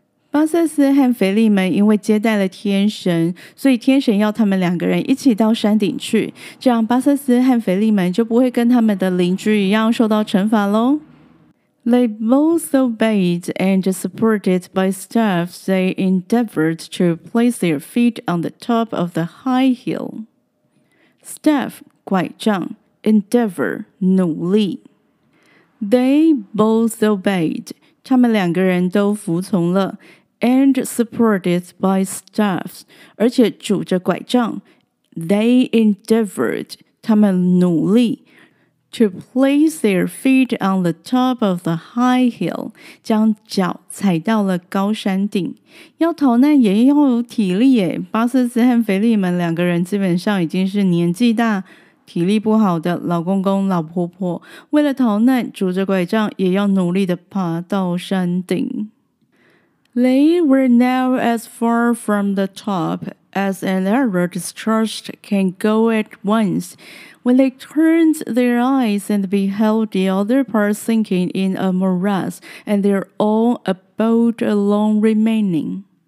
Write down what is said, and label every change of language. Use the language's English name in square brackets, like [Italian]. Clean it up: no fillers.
[Chinese] 巴瑟斯和腓力门因为接待了天神，所以天神要他们两个人一起到山顶去，这样巴瑟斯和腓力门就不会跟他们的邻居一样受到惩罚咯。 [English] They both obeyed and supported by staff, they endeavored to place their feet on the top of the high hill. Staff, 拐杖， endeavor, 努力。 [Chinese] They both obeyed, 他们两个人都服从了 and supported by staffs, 而且拄着拐杖。 [English] They endeavored, 他们努力 to place their feet on the top of the high hill, 将脚踩到了高山顶。 [Chinese] 要逃难也要有体力耶，巴瑟斯和腓力门两个人基本上已经是年纪大体力不好的老公公老婆婆，为了逃难拄着拐杖也要努力地爬到山顶。 [English] They were now as far from the top as an arrow discharged can go at once. When they turned their eyes and beheld the other part sinking in a morass and their own abode alone remaining.